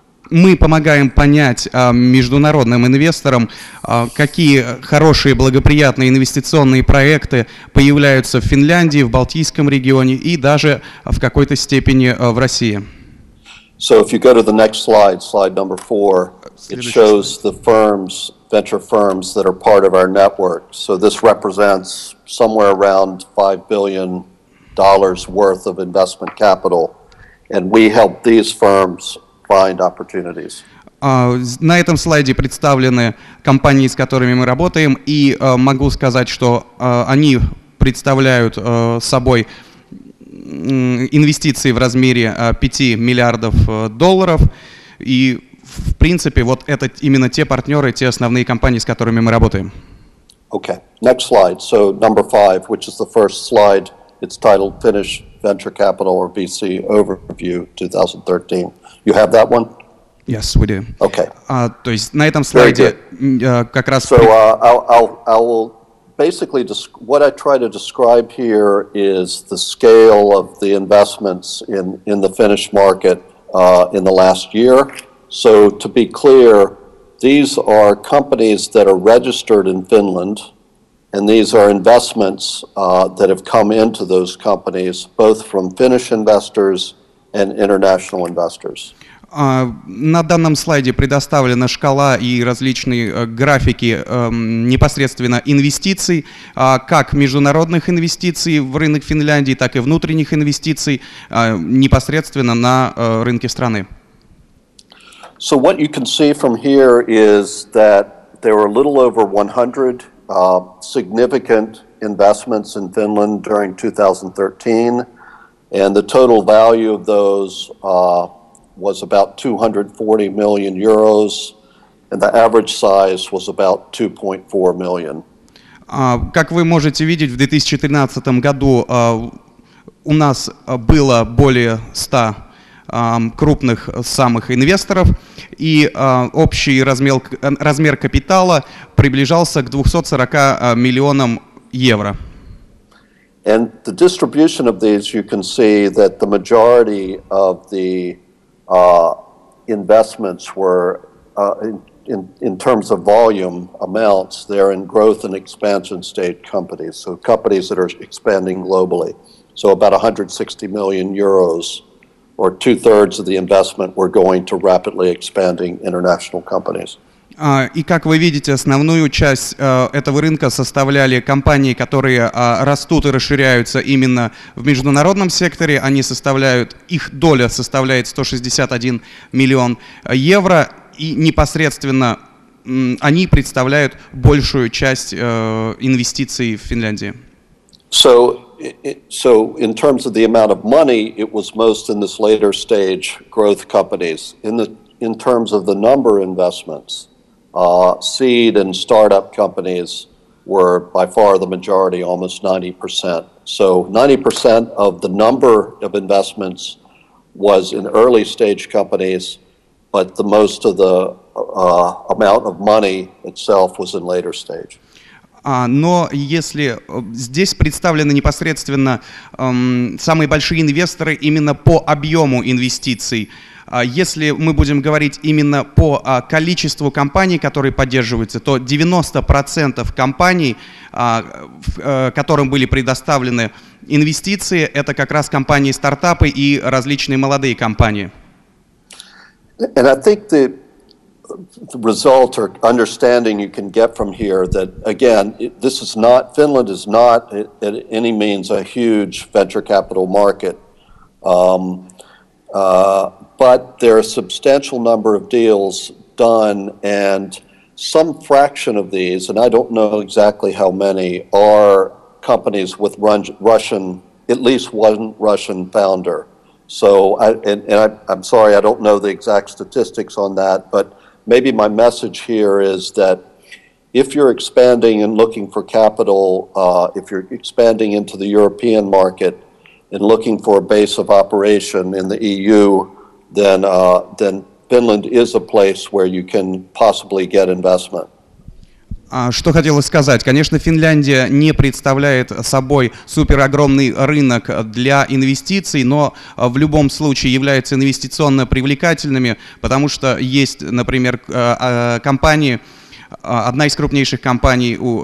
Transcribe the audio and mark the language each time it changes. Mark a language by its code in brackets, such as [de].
[ru] Мы помогаем понять международным инвесторам, какие хорошие, благоприятные инвестиционные проекты появляются в Финляндии, в Балтийском регионе и даже в какой-то степени в России. [en] So if you go to the next slide, slide number four, it shows the firms, venture firms that are part of our network. So this represents somewhere around $5 billion worth of investment capital. And we help these firms find opportunities. [ru] На этом слайде представлены компании, с которыми мы работаем, и могу сказать, что они представляют собой инвестиции в размере $5 миллиардов, и в принципе вот это именно те партнеры, те основные компании, с которыми мы работаем. [en] Okay, next slide. So number five, which is the first slide, it's titled Finnish Venture Capital or VC Overview 2013. You have that one? Yes, we do. Okay. [ru] То есть на этом слайде как раз. [en] So I will basically what I try to describe here is the scale of the investments in the Finnish market in the last year. So to be clear, these are companies that are registered in Finland, and these are investments that have come into those companies both from Finnish investors and international investors. [ru] На данном слайде предоставлена шкала и различные графики непосредственно инвестиций, как международных инвестиций в рынок Финляндии, так и внутренних инвестиций непосредственно на рынке страны. [en] So what you can see from here is that there were a little over 100 significant investments in Finland during 2013, and the total value of those was about 240 million euros, and the average size was about 2.4 million. [ru] Как вы можете видеть, в 2013 году у нас было более 100 крупных самых инвесторов, и общий размер капитала приближался к 240 миллионам евро. [en] And the distribution of these, you can see that the majority of the investments were in terms of volume amounts, they're in growth and expansion stage companies, so companies that are expanding globally. So about 160 million euros or two-thirds of the investment were going to rapidly expanding international companies. [ru] И как вы видите, основную часть этого рынка составляли компании, которые растут и расширяются именно в международном секторе. Они составляют, их доля составляет 161 миллион евро, и непосредственно они представляют большую часть инвестиций в Финляндии. [en] So in terms of the amount of money, it was most in this later stage growth companies. In terms of the number investments, seed and startup companies were by far the majority, almost 90%. So 90% of the number of investments was in early stage companies, but the most of the amount of money itself was in later stage. [ru] Но если здесь представлены непосредственно самые большие инвесторы именно по объему инвестиций, если мы будем говорить именно по количеству компаний, которые поддерживаются, то 90% компаний, которым были предоставлены инвестиции, это как раз компании-стартапы и различные молодые компании. [en] And I think the result or understanding you can get from here that, again, this is not, Finland is not at any means a huge venture capital market. But there are a substantial number of deals done, and some fraction of these, and I don't know exactly how many, are companies with Russian, at least one Russian founder. So, I'm sorry, I don't know the exact statistics on that, but maybe my message here is that if you're expanding and looking for capital, if you're expanding into the European market and looking for a base of operation in the EU, then Finland is a place where you can possibly get investment. [ru] Что хотел сказать? Конечно, Финляндия не представляет собой суперогромный рынок для инвестиций, но в любом случае являются инвестиционно привлекательными, потому что есть, например, компании, одна из крупнейших компаний,